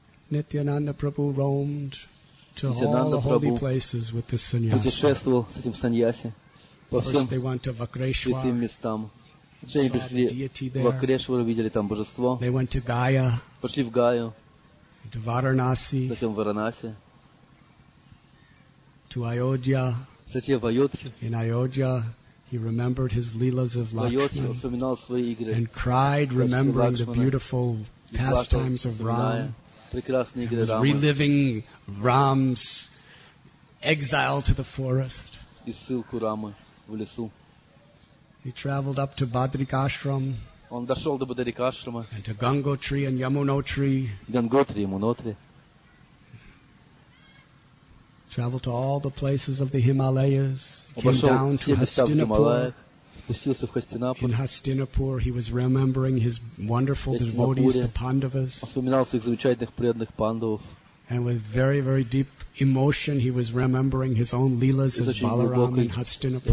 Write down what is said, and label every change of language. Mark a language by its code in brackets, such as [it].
[en] Nityananda Prabhu roamed to all the holy places with this sannyasi. [ru] Путешествовал с этим саньяси по всем святым местам. Они пришли в Вакрешвару, видели там божество. [en] They went to Gaya, [ru] пошли в Гаю, [en] to Varanasi, [ru] затем в Варанаси, [en] to Ayodhya, [ru] затем в Айодхе. [en] In Ayodhya, he remembered his leelas of Lakshman, [ru] он вспоминал свои игры, [en] and cried, remembering the beautiful pastimes of Ram, [ru] прекрасные игры [en] Рама, reliving Ram's exile to the forest, [ru] и ссылку Рамы в лесу. [en] He traveled up to Badrikashram. [ru] Он дошел до Бадрикашрама. [en] And to Gangotri and Yamunotri. [ru] Ганготри и Ямунотри. [en] Traveled to all the places of the Himalayas. Came down to Hastinapur. [ru] Спустился в Хастинапур. [en] In Hastinapur, he was remembering his wonderful devotees, the Pandavas. [ru] Он вспоминал своих замечательных преданных пандавов. [en] And with very, very deep emotion, he was remembering his own leelas as Balaram in Hastinapur.